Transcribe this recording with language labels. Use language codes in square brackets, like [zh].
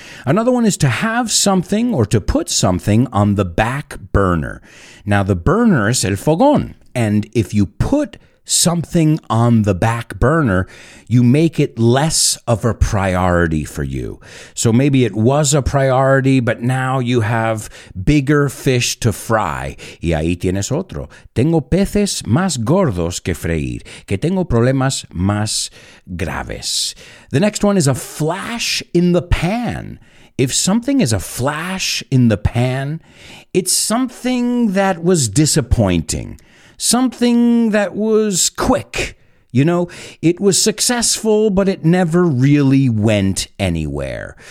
[en] Another one is to have something or to put something on the back burner. Now, the burner is el fogón. And if you put something on the back burner, you make it less of a priority for you. So maybe it was a priority, but now you have bigger fish to fry. [es] Y ahí tienes otro. Tengo peces más gordos que freír, que tengo problemas más graves. [en] The next one is a flash in the pan. If something is a flash in the pan, it's something that was disappointing. Something that was quick, you know, it was successful, but it never really went anywhere.